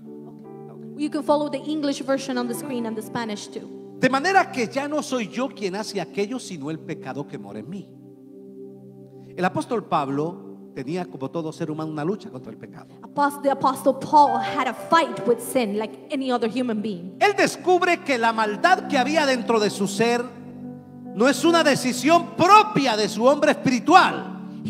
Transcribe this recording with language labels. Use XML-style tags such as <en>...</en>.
<en>Okay. You can follow the English version on the screen and the Spanish too.</en> <es>De manera que ya no soy yo quien hace aquello, sino el pecado que mora en mí. El apóstol Pablo tenía, como todo ser humano, una lucha contra el pecado.</es> <en>The apostle Paul had a fight with sin like any other human being.</en> <es>Él descubre que la maldad que había dentro de su ser no es una decisión propia de su hombre espiritual.</es>